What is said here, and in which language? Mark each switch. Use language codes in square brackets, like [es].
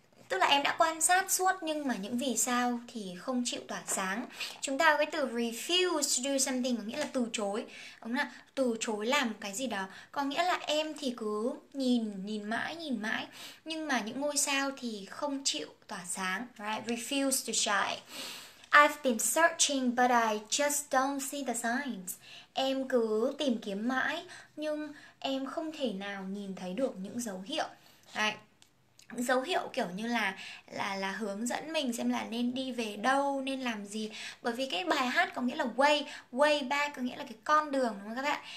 [vi] Tức là em đã quan sát suốt nhưng mà những vì sao thì không chịu tỏa sáng. Chúng ta có cái từ [en] refuse to do something, [vi] có nghĩa là từ chối. Đúng không? Từ chối làm cái gì đó. Có nghĩa là em thì cứ nhìn, nhìn mãi. Nhưng mà những ngôi sao thì không chịu tỏa sáng. [en] Right? Refuse to shine. I've been searching but I just don't see the signs. [vi] Em cứ tìm kiếm mãi nhưng em không thể nào nhìn thấy được những dấu hiệu. [en] Right? [vi] Dấu hiệu kiểu như là hướng dẫn mình xem là nên đi về đâu, nên làm gì. Bởi vì cái bài hát có nghĩa là [en] way, way back [vi] có nghĩa là cái con đường, đúng không các bạn?